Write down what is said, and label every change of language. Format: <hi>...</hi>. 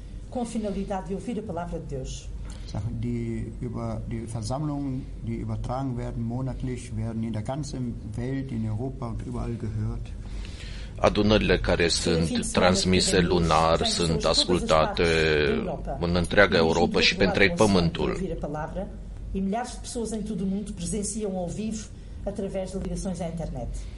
<pt>Com a finalidade de ouvir a palavra de Deus.</pt> <de>Die Versammlungen, die übertragen werden monatlich, werden in der ganzen Welt, in Europa und überall gehört.</de> <ro>Adunările care sunt transmise lunar sunt ascultate în întreaga Europa și pe întreg pământul.</ro> <pt>E milhares de pessoas em todo o mundo presenciam ao vivo através de ligações à internet.</pt>